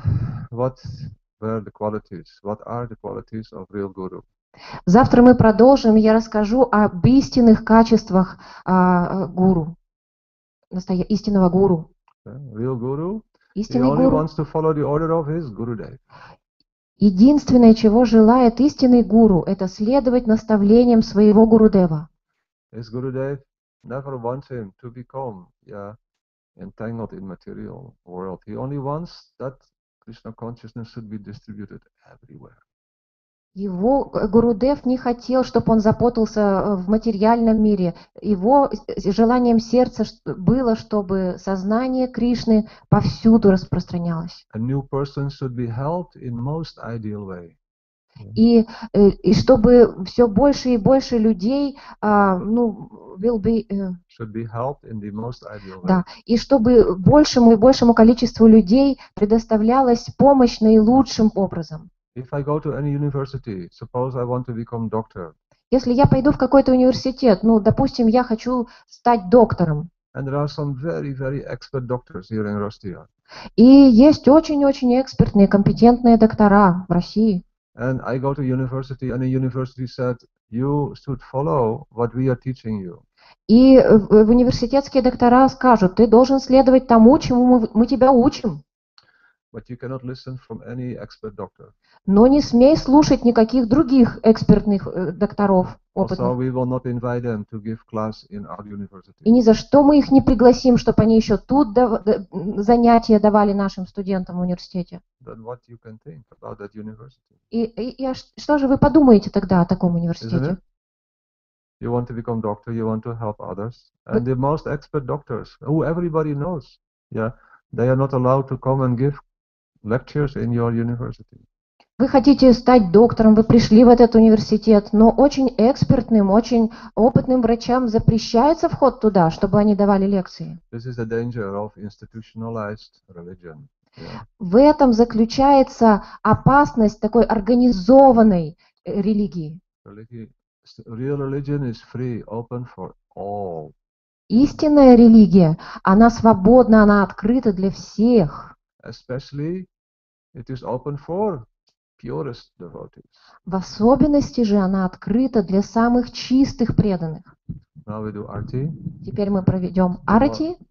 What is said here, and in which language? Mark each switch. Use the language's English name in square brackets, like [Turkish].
[English] tell what were the qualities, what are the qualities of real guru. [Russian] Завтра мы продолжим, я расскажу об истинных качествах гуру, истинного гуру. [English] Real guru, [Russian] истинный [English] he only [Russian] гуру. [English] Wants to follow the order of his Gurudev. [Russian] Единственное, чего желает истинный гуру, это следовать наставлениям своего Гурудева. [English] His Gurudev never wants him to become, entangled in material world. He only wants that Krishna consciousness should be distributed everywhere. [Russian] Его Гурудев не хотел, чтобы он запутался в материальном мире. Его желанием сердца было, чтобы сознание Кришны повсюду распространялось. [English] A new person should be helped in most ideal way. [Russian] И чтобы все больше и больше людей, [English] will be, should be helped in the most ideal way. [Russian] Да, и чтобы большему и большему количеству людей предоставлялась помощь наилучшим образом. [English] If I go to any university, suppose I want to become doctor. [Russian] Если я пойду в какой-то университет, допустим, я хочу стать доктором. [English] And there are some very, very expert doctors here in Russia. [Russian] И есть очень-очень экспертные, компетентные доктора в России. [English] And I go to university, and the university said, you should follow what we are teaching you. [Russian] И в университетские доктора скажут, ты должен следовать тому, чему мы тебя учим. [English] But you cannot listen from any expert doctor. [Russian] Но не смей слушать никаких других экспертных докторов опытных. [English] Also, we will not invite them to give class in our university. [Russian] И ни за что мы их не пригласим, чтобы они еще тут занятия давали нашим студентам в университете. [English] Then what you can think about that university? [Russian] И что же вы подумаете тогда о таком университете? [English] Isn't it? You want to become doctor, you want to help others. And the most expert doctors, who everybody knows, they are not allowed to come and give lectures in your university. [Russian] Вы хотите стать доктором, вы пришли в этот университет, но очень экспертным, очень опытным врачам запрещается вход туда, чтобы они давали лекции. [English] This is the danger of institutionalized religion. [Russian] В этом заключается опасность такой организованной религии. [English] Real religion is free, open for all. [Russian] Истинная религия, она свободна, она открыта для всех. [English] Especially it is open for purest devotees. [Russian] В особенности же она открыта для самых чистых преданных. [English] Now we do arti. [Russian] Теперь мы проведем арати.